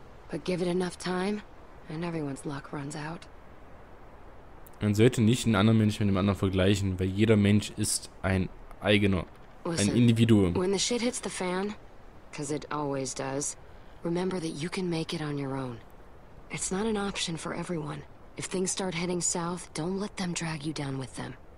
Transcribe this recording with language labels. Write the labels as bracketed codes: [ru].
[en] But give it enough time and everyone's luck runs out. [de] Man sollte nicht einen anderen Mensch mit dem anderen vergleichen, weil jeder Mensch ist ein eigener, ein Individuum. [en] When the shit hits the fan, because it always does, remember that you can make it on your own. It's not an option for everyone. If things start heading south, don't let them drag you down with them.